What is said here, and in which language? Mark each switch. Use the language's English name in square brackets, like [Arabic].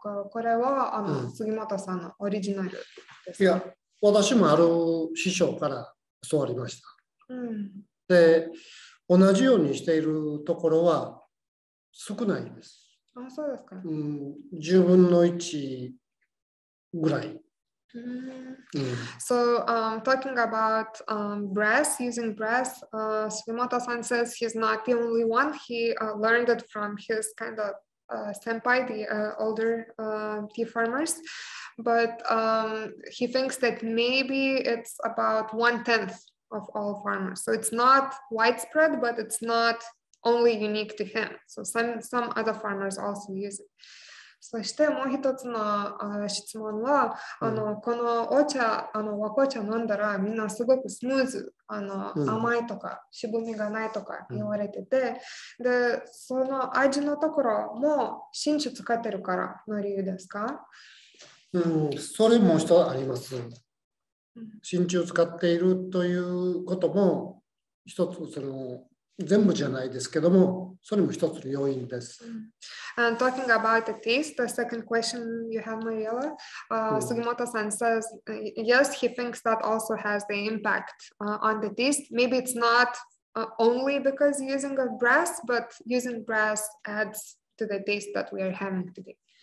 [Japanese] これは、杉本さんのオリジナルです。いや、私もある師匠から教わりました。うん、で同じようにしているところは少ないです。あ、そうですか。うん、10分の1ぐらい。 [English] うん、So talking about brass, using brass, Sugimoto-san says he's not the only one. He learned it from his kind of senpai, the older tea farmers. But he thinks that maybe it's about 1/10of all farmers. So it's not widespread, but it's not only unique to him. So some other farmers also use it. [Japanese] そしてもう一つの質問は、このお茶、和紅茶飲んだらみんなすごくスムーズ、甘いとか渋みがないとか言われてて、で、その味のところも真珠使ってるからの理由ですか？それも一つあります。真珠を使っているということも一つ、その全部じゃないですけども、それも一つの要因です。 [English] And talking about the taste, the second question you have, Mariella, Sugimoto-san says yes, he thinks that also has the impact on the taste. Maybe it's not only because using of brass, but using brass adds to the taste that we are having today.